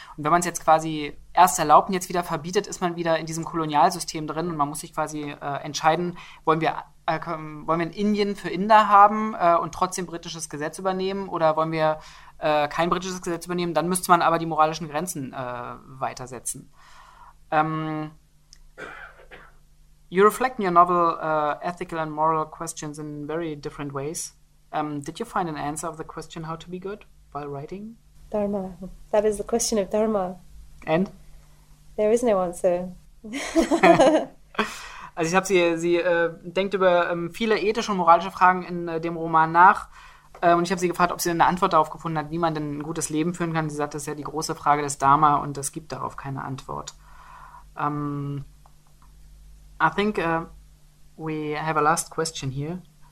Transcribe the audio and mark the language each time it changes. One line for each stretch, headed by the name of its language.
German: Und wenn man es jetzt quasi erst erlaubt und jetzt wieder verbietet, ist man wieder in diesem Kolonialsystem drin und man muss sich quasi entscheiden, wollen wir ein Indien für Inder haben und trotzdem britisches Gesetz übernehmen oder wollen wir kein britisches Gesetz übernehmen, dann müsste man aber die moralischen Grenzen weitersetzen.
English: You reflect in your novel ethical and moral questions in very different ways. Did you find an answer of the question how to be good while writing? Dharma. That is the question of Dharma. And? There is no answer.
German: Also ich habe sie denkt über viele ethische und moralische Fragen in dem Roman nach. Und ich habe sie gefragt, ob sie eine Antwort darauf gefunden hat, wie man denn ein gutes Leben führen kann. Sie sagt, das ist ja die große Frage des Dharma und es gibt darauf keine Antwort.
English: I think we have a last question here.